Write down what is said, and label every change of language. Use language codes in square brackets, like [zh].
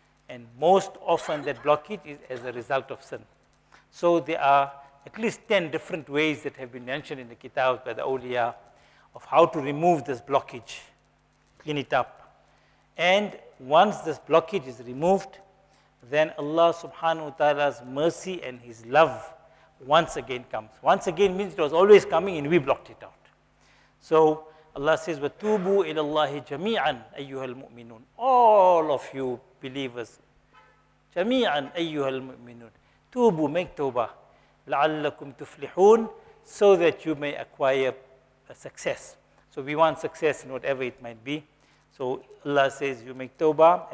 [en] And most often that blockage is as a result of sin. So there are at least 10 different ways that have been mentioned in the kitab by the awliya of how to remove this blockage, clean it up. And once this blockage is removed, then Allah subhanahu wa ta'ala's mercy and His love once again comes. Once again means it was always coming and we blocked it out. So Allah says, [ar] وَتُوبُوا إِلَى اللَّهِ جَمِيعًا أَيُّهَا الْمُؤْمِنُونَ. [en] All of you believers, [ar] جَمِيعًا أَيُّهَا الْمُؤْمِنُونَ. تُوبُوا, [en] make tawbah. [ar] لَعَلَّكُمْ تُفْلِحُونَ, [en] so that you may acquire a success. So we want success in whatever it might be. So Allah says, you make tawbah.